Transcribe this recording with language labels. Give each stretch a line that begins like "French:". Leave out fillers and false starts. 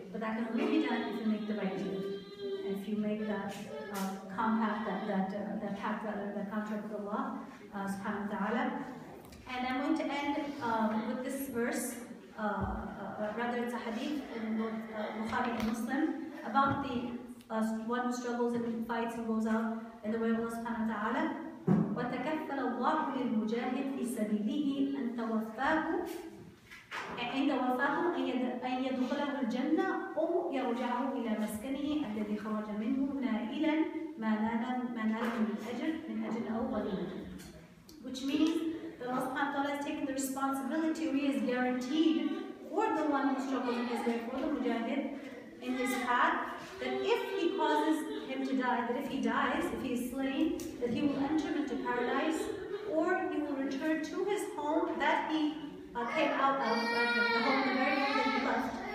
English: But that can only be done if you make the right deal, if you make that that contract with Allah subhanahu wa ta'ala. And I'm going to end with this verse, rather it's a hadith in both Bukhari and Muslim, about the one who struggles and fights and goes out in the way of Allah subhanahu wa ta'ala.
Arabic: وَتَكَفَّلَ اللَّهُ لِلْمُجَاهِدْ فِي سَبِيلِهِ أَنْ تَوَفَّاهُ عند وفاه أن يدخله الجنة أو يرجعه إلى مسكنه الذي خرج منه نائلا ما نال من أجل أو غيره.
English: Which means that Allah subhanahu wa ta'ala has taken the responsibility we is guaranteed for the one who struggles in his way, for the mujahid in his path, that if he causes him to die, that if he dies, if he is slain, that he will enter into paradise, or he will return to his home that he came out of, the home, the very home that he left.